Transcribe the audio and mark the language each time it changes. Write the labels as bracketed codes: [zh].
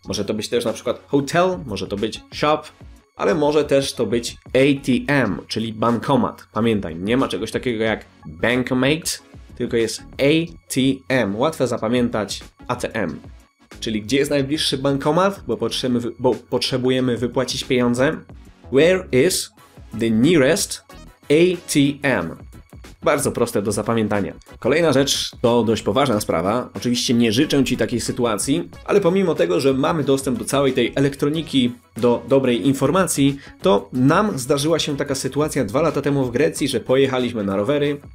[pl] Może to być też na przykład hotel, może to być shop, ale może też to być ATM, czyli bankomat. Pamiętaj, nie ma czegoś takiego jak bankmate, tylko jest ATM, łatwe zapamiętać ATM. Czyli gdzie jest najbliższy bankomat, bo potrzebujemy wypłacić pieniądze? [en] Where is the nearest ATM? [pl] Bardzo proste do zapamiętania. Kolejna rzecz to dość poważna sprawa. Oczywiście nie życzę ci takiej sytuacji, ale pomimo tego, że mamy dostęp do całej tej elektroniki, do dobrej informacji, to nam zdarzyła się taka sytuacja 2 lata temu w Grecji, że pojechaliśmy na rowery.